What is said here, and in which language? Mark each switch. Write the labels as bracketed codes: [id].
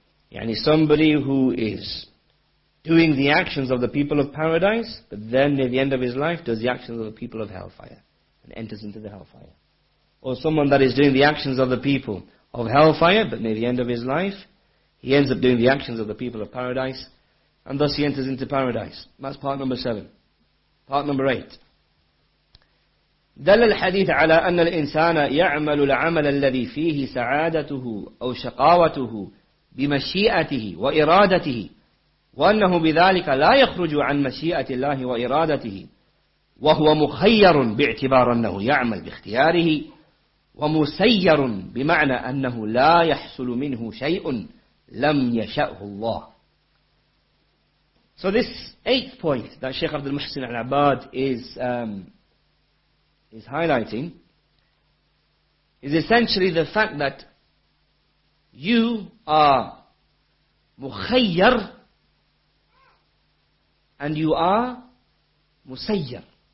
[en] Yani somebody who is doing the actions of the people of paradise, but then near the end of his life does the actions of the people of hellfire and enters into the hellfire. Or someone that is doing the actions of the people of hellfire, but near the end of his life he ends up doing the actions of the people of paradise and thus he enters into paradise. That's part number 7. Part number 8. [ar] دل الحديث على أن الإنسان يعمل العمل الذي فيه سعادته أو شقاوته بمشيئته وإرادته وأنه بذلك لا يخرج عن مشيئة الله وإرادته وهو مخير باعتبار أنه يعمل باختياره ومسير بمعنى أنه لا يحصل منه شيء لم يشأه الله. [en] So this eighth point that Sheikh Abdul Muhsin al-Abbad is highlighting is essentially the fact that you are مخير and you are musayyar.